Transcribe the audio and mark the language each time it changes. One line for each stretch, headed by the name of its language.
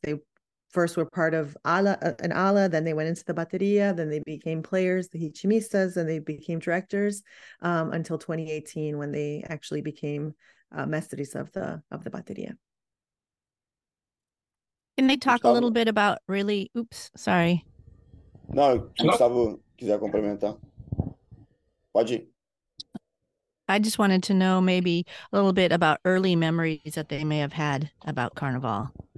English: They first were part of an ala, then they went into the bateria, then they became players, the ritmistas, and they became directors, until 2018, when they actually became mestres of the bateria. Can they talk a little Gustavo? bit about really, oops, sorry.
Portuguese: Não, se o Gustavo quiser complementar, pode ir.
English: I just wanted to know maybe a little bit about early memories that they may have had about Carnaval.